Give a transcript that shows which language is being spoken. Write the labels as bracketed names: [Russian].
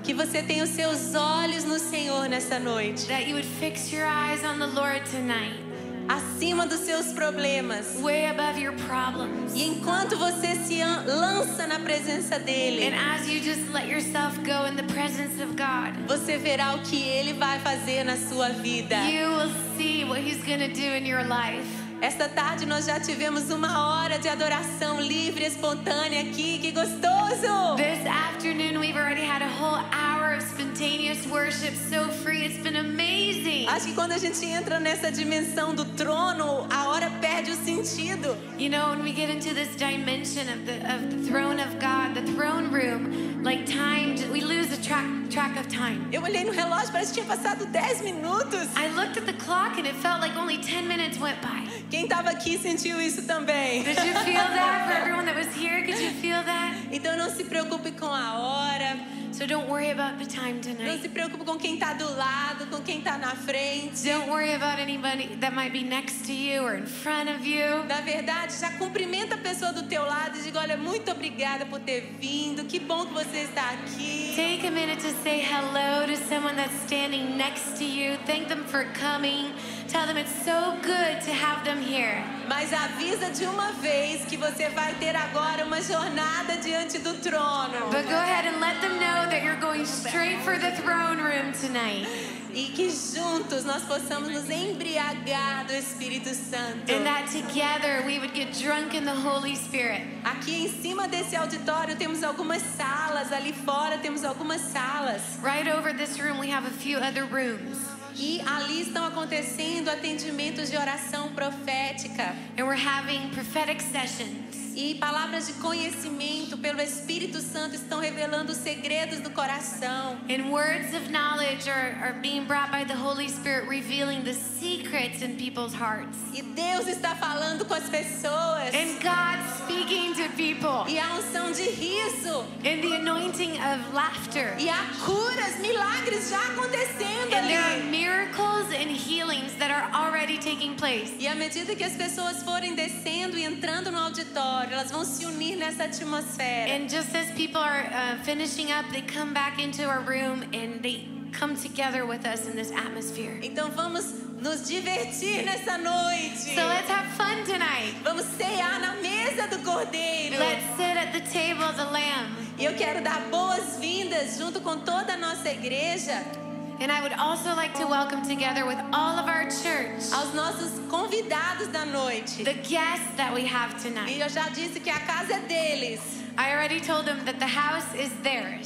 [Portuguese] Que você tenha os seus olhos no Senhor nessa noite. [English] That you would fix your eyes on the Lord tonight. [Portuguese] Acima dos seus problemas. [English] Way above your problems. [Portuguese] E enquanto você se lança na presença dele. [English] And as you just let yourself go in the presence of God. [Portuguese] Você verá o que ele vai fazer na sua vida. [English] You will see what he's going to do in your life. [Portuguese] Esta tarde nós já tivemos uma hora de adoração livre, espontânea aqui. Que gostoso! [English] This afternoon we've already had a whole hour of spontaneous worship, so free. It's been amazing. [Portuguese] Acho que quando a gente entra nessa dimensão do trono, a hora perde o sentido. [English] You know, when we get into this dimension of the throne of God, the throne room, like time, we lose the track of time. [Portuguese] Eu olhei no relógio, parece que tinha passado 10 minutos. [English] I looked at the clock and it felt like only 10 minutes went by. [Portuguese] Quem estava aqui sentiu isso também. [English] Did you feel that? For everyone that was here, could you feel that? [Portuguese] Então não se preocupe com a hora. [English] So don't worry about the time tonight. [Portuguese] Não se preocupe com quem está do lado, com quem está na frente. [English] Don't worry about anybody that might be next to you or in front of you. [Portuguese] Na verdade, já cumprimenta a pessoa do teu lado e diga, olha, muito obrigada por ter vindo. Que bom que você está aqui. [English] Take a minute to say hello to someone that's standing next to you. Thank them for coming. Tell them it's so good to have them here. [Portuguese] Mas avisa de uma vez que você vai ter agora uma jornada diante do trono. [English] But go ahead and let them know that you're going straight for the throne room tonight. [Portuguese] E que juntos nós possamos nos embriagar do Espírito Santo. [English] And that together we would get drunk in the Holy Spirit. [Portuguese] Aqui em cima desse auditório temos algumas salas. Ali fora temos algumas salas. [English] Right over this room we have a few other rooms. [Portuguese] E ali estão acontecendo atendimentos de oração profética. [English] And we're having prophetic sessions. [Portuguese] E palavras de conhecimento pelo Espírito Santo estão revelando segredos do coração. [English] And words of knowledge are being brought by the Holy Spirit, revealing the secrets in people's hearts. [Portuguese] E Deus está falando com as pessoas. [English] And God speaking to people. [Portuguese] E a unção de riso. [English] And the anointing of laughter. [Portuguese] E há curas, milagres já acontecendo [English] and [Portuguese] ali. [English] There are miracles and healings that are already taking place. [Portuguese] E à medida que as pessoas forem descendo e entrando no auditório, elas vão se unir nessa atmosfera. [English] And just as people are finishing up, they come back into our room and they come together with us in this atmosphere. [Portuguese] Então vamos nos divertir nessa noite. [English] So let's have fun tonight. [Portuguese] Vamos cear na mesa do Cordeiro. [English] Let's sit at the table of the Lamb. [Portuguese] E eu quero dar boas-vindas junto com toda a nossa igreja. [English] And I would also like to welcome together with all of our church. [Portuguese] Aos nossos convidados da noite. [English] The guests that we have tonight. [Portuguese] E eu já disse que a casa é deles. [English] I already told them that the house is theirs.